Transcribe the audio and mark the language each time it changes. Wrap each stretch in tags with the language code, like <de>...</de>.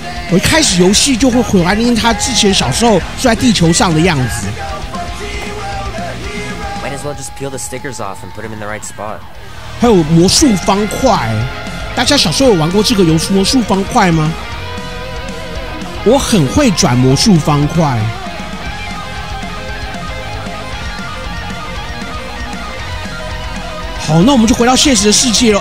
<zh>我一开始游戏就会怀念他之前小时候住在地球上的样子。</zh> <en>Might as well just peel the stickers off and put him in the right spot.</en> <zh>还有魔术方块，大家小时候有玩过这个魔术方块吗？我很会转魔术方块。好，那我们就回到现实的世界了。</zh>